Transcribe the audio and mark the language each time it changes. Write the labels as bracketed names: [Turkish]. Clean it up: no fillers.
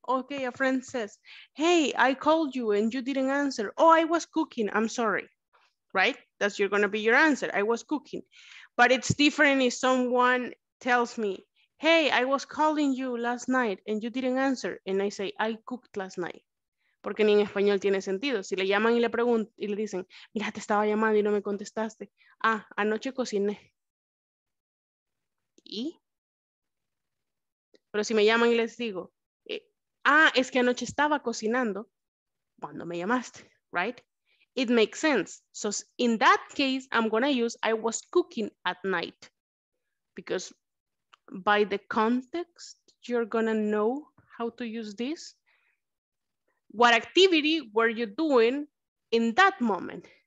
[English] Okay, a friend says, hey, I called you and you didn't answer. Oh, I was cooking. I'm sorry. Right? That's your gonna be your answer. I was cooking. But it's different if someone tells me, hey, I was calling you last night and you didn't answer. And I say, I cooked last night. [Spanish] Porque ni en español tiene sentido. Si le llaman y le preguntan y le dicen, mira, te estaba llamando y no me contestaste. Ah, anoche cociné. ¿Y? Pero si me llaman y les digo, es que anoche estaba cocinando. ¿Cuándo me llamaste? [English] Right? It makes sense. So in that case, I'm going to use I was cooking at night. Because by the context, you're going to know how to use this. What activity were you doing in that moment?